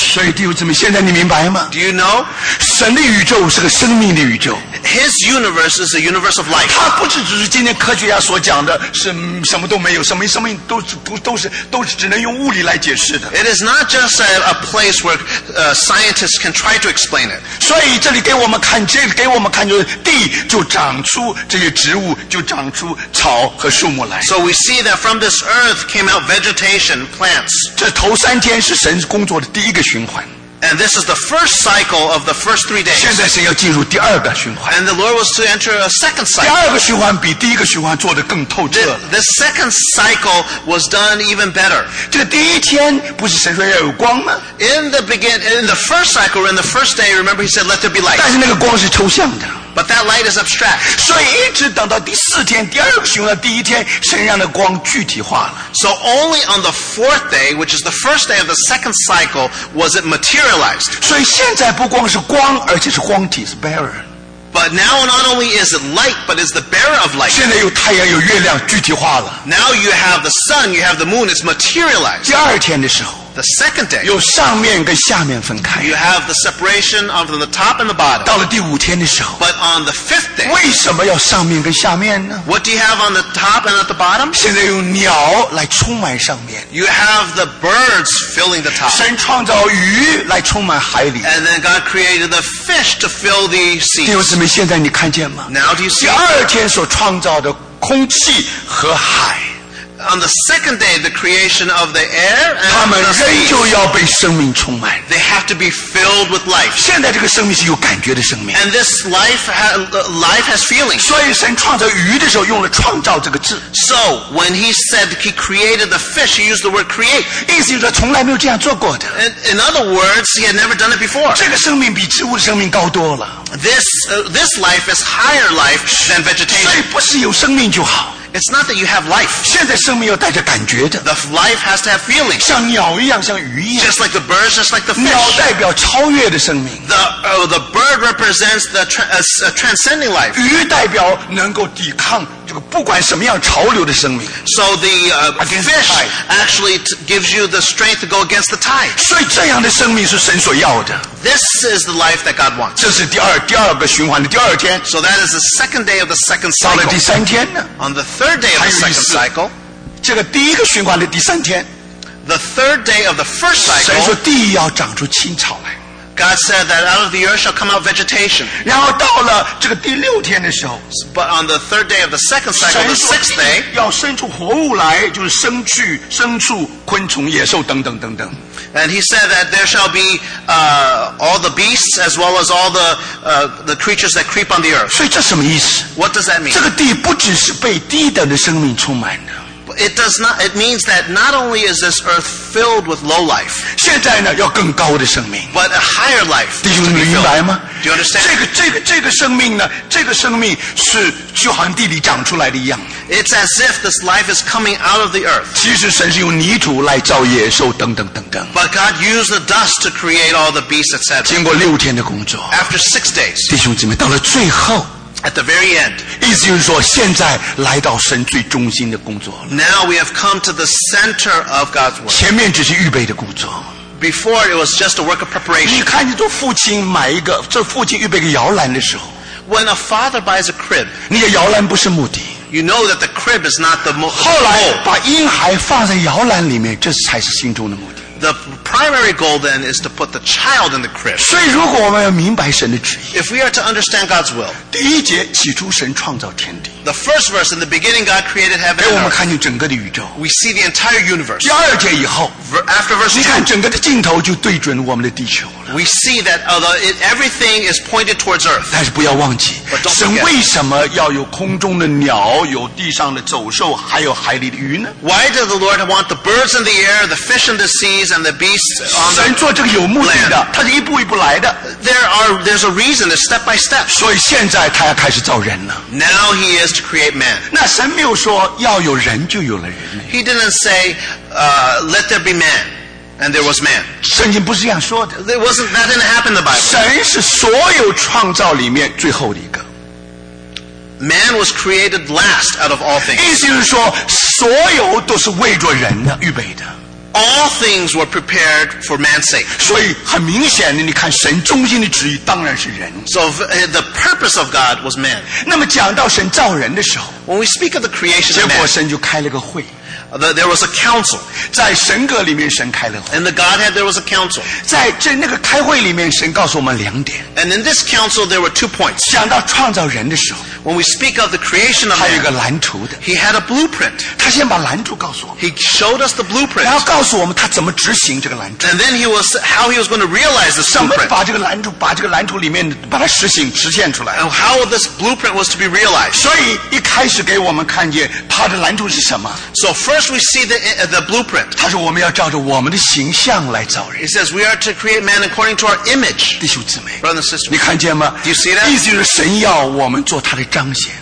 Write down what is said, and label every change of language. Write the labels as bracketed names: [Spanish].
[Chinese] 所以弟兄姊妹，现在你明白吗? [English] Do you know? [Chinese] 神的宇宙是个生命的宇宙。 [English] His universe is a universe of life. [Chinese] 它不是只是今天科学家所讲的是什么都没有，什么都是只能用物理来解释的。 [English] It is not just a place where scientists can try to explain it. [Chinese] 所以这里给我们看，这里给我们看就是地就长出这些植物，就长出草和树木来。 [English] So we see that from this earth came out vegetation, plants. [Chinese] 这头三天是神工作的第一个循环。 [English] And this is the first cycle of the first 3 days. [Chinese] 现在神要进入第二个循环。 [English] And the Lord was to enter a second cycle. [Chinese] 第二个循环比第一个循环做得更透彻。 [English] The second cycle was done even better. [Chinese] 这第一天不是神说要有光吗？ [English] In the first day, remember he said, let there be light. [Chinese] 但是那个光是抽象的。 [English] But that light is abstract. [Chinese] 所以一直等到第四天，第二个循环第一天，神让那光具体化了。 [English] So only on the fourth day, which is the first day of the second cycle, was it materialized. [Chinese] 所以现在不光是光，而且是光体，是 bearer。 [English] But now not only is it light, but is the bearer of light. [Chinese] 现在有太阳，有月亮，具体化了。 [English] Now you have the sun, you have the moon, it's materialized. [Chinese] 第二天的时候。 [English] The second day, [Chinese] 有上面跟下面分开。 [English] You have the separation of the top and the bottom. [Chinese] 到了第五天的时候。 [English] But on the fifth day, [Chinese] 为什么要上面跟下面呢? [English] What do you have on the top and at the bottom? [Chinese] 现在用鸟来充满上面。 [English] You have the birds filling the top. [Chinese] 神创造鱼来充满海里。 [English] And then God created the fish to fill the sea. [Chinese] 弟兄姊妹，现在你看见吗? [English] Now do you see? [Chinese] 第二天所创造的空气和海。 [English] On the second day, the creation of the air and the [Chinese] sea. 他们仍旧要被生命充满。 [English] They have to be filled with life. [Chinese] 现在这个生命是有感觉的生命。 [English] And this life has feelings. [Chinese] 所以神创造鱼的时候用了创造这个字。 [English] So, when he said he created the fish, he used the word create. [Chinese] 意思就是从来没有这样做过的。 [English] In other words, he had never done it before. [Chinese] 这个生命比植物的生命高多了。 [English] This life is higher life than vegetation. [Chinese] 所以不是有生命就好。 [English] It's not that you have life. [Chinese] 现在生命要带着感觉的。 [English] The life has to have feelings. [Chinese] 像鸟一样，像鱼一样。 [English] Just like the birds, just like the fish. [Chinese] 鸟代表超越的生命。 [English] The bird represents the transcending life. [Chinese] 鱼代表能够抵抗这个不管什么样潮流的生命。 [English] So the fish actually gives you the strength to go against the tide. [Chinese] 所以这样的生命是神所要的。 [English] This is the life that God wants. [Chinese] 这是第二个循环的第二天。 [English] So that is the second day of the second cycle. [Chinese] 到了第三天呢？ [English] On the third day of the second cycle. [Chinese] 这个第一个循环的第三天。 [English] The third day of the first cycle. [Chinese] 神说地要长出青草来。 [English] God said that out of the earth shall come out vegetation. [Chinese] 然后到了这个第六天的时候。 [English] But on the third day of the second cycle, the sixth day. [Chinese] 要生出活物来，就是牲畜、昆虫、野兽等等等等。 [English] And he said that there shall be all the beasts as well as all the creatures that creep on the earth. [Chinese] 所以这什么意思? [English] What does that mean? [Chinese] 这个地不只是被低等的生命充满的。 [English] It means that not only is this earth filled with low life, [Chinese] 现在呢要更高的生命 [English] but a higher life. [Chinese] 弟兄明白吗? [English] Do you understand? [Chinese] 这个生命呢，这个生命是就好像地里长出来的一样。 [English] It's as if this life is coming out of the earth. [Chinese] 其实神是用泥土来造野兽等等等等。 [English] But God used the dust to create all the beasts, etc. [Chinese] 经过六天的工作。 [English] After 6 days. [Chinese] 弟兄姊妹，到了最后。 [English] At the very end, [Chinese] 意思就是说，现在来到神最中心的工作了。 [English] Now we have come to the center of God's work. [Chinese] 前面只是预备的工作。 [English] Before it was just a work of preparation. [Chinese] 你看，你做父亲买一个，做父亲预备个摇篮的时候。 [English] When a father buys a crib, [Chinese] 你的摇篮不是目的。 [English] You know that the crib is not the goal. [Chinese] 后来把婴孩放在摇篮里面，这才是心中的目的。 [English] The primary goal then is to put the child in the crib. [Chinese] 所以，如果我们要明白神的旨意 [English] ，If we are to understand God's will, [Chinese] 第一节起初神创造天地。 [English] The first verse, in the beginning, God created heaven. [Chinese] 给我们看见整个的宇宙。 [English] We see the entire universe. [Chinese] 第二节以后 [English] after verse 2, [Chinese] 你看整个的镜头就对准我们的地球了。 [English] We see that everything is pointed towards earth. [Chinese] 但是不要忘记，神为什么要有空中的鸟、有地上的走兽、还有海里的鱼呢 [English] ？Why does the Lord want the birds in the air, the fish in the sea? And the beasts on the [Chinese] 神做这个有目的的，他是一步一步来的。 [English] There's a reason. It's step by step. [Chinese] 所以现在他要开始造人了。 [English] Now he is to create man. [Chinese] 那神没有说要有人就有了人。 [English] He didn't say, let there be man, and there was man. [Chinese] 圣经不是这样说的。 [English] That didn't happen in the Bible. [Chinese] 神是所有创造里面最后的一个。 [English] Man was created last out of all things. [Chinese] 意思就是说，所有都是为着人的预备的。 [English] All things were prepared for man's sake. [Chinese] 所以很明显的，你看神中心的旨意当然是人。 [English] So the purpose of God was man. [Chinese] 那么讲到神造人的时候 [English] ，When we speak of the creation of man, [Chinese] 结果神就开了个会。 [English] There was a council. [Chinese] 在神阁里面，神开了会。 [English] In the Godhead, there was a council. [Chinese] 在这那个开会里面，神告诉我们两点。 [English] And in this council, there were two points. [Chinese] 讲到创造人的时候 [English] ，When we speak of the creation of man, [Chinese] 他有一个蓝图的。 [English] He had a blueprint. [Chinese] 他先把蓝图告诉我们。 [English] He showed us the blueprint. [Chinese] 然后告诉我们他怎么执行这个蓝图。 [English] And then how he was going to realize this blueprint. [Chinese] 怎么把这个蓝图里面把它实现出来 [English] ？And how this blueprint was to be realized. [Chinese] 所以一开始给我们看见他的蓝图是什么 [English] ？So first we see the blueprint. [Chinese] 他说我们要照着我们的形象来造人。 [English] He says we are to create man according to our image. [Chinese] 弟兄姊妹 [English] ，brother and sister， [Chinese] 你看见吗 [English] ？Do you see that？ [Chinese] 意思就是神要我们做他的彰显。